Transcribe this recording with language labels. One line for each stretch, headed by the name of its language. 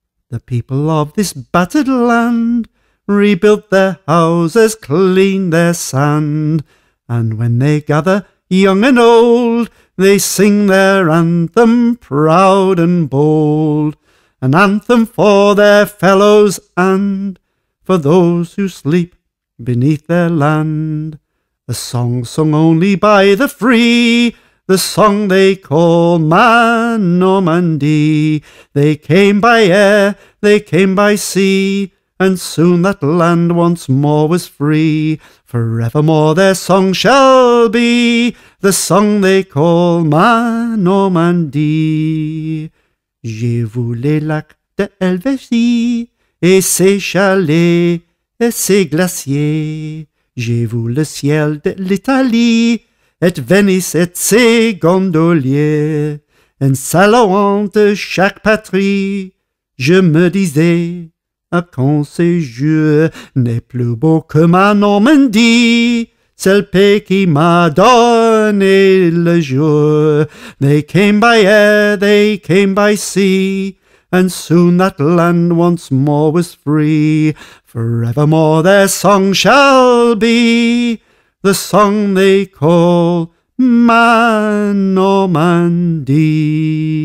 English: The people of this battered land rebuilt their houses, cleaned their sand, and when they gather young and old, they sing their anthem proud and bold, an anthem for their fellows and for those who sleep beneath their land, a song sung only by the free, the song they call Normandy. They came by air, they came by sea, and soon that land once more was free. Forevermore their song shall be the song they call Normandy.
French: J'ai vu les lacs de Helvétie et ses chalets et ses glaciers. J'ai vu le ciel de l'Italie et Venise et ses gondoliers. En saluant de chaque patrie, je me disais, à quand ces jours n'est plus beau que Normandie, c'est le pays qui m'a donné le jour.
English: They came by air, they came by sea, and soon that land once more was free. Forevermore their song shall be the song they call Normandie.